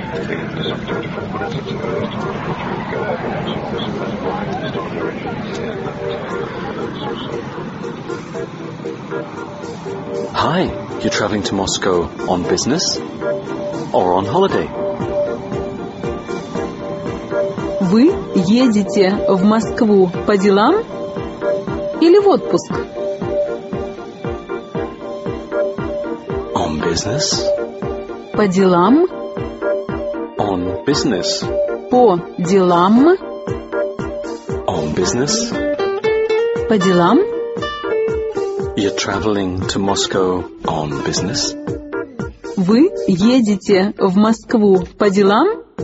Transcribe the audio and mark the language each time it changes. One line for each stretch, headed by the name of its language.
English: The end is 34 minutes at the earliest time, which we go ahead and exit this and then fly and start your engines in so. Hi, you're traveling to Moscow on business or on holiday?
Russian: Вы едете в Москву по делам или в отпуск?
English: On business.
Russian: По делам.
English: On business.
Russian: По делам.
English: On business.
Russian: По делам.
English: You're traveling to Moscow on business.
Russian: Вы едете в Москву по делам?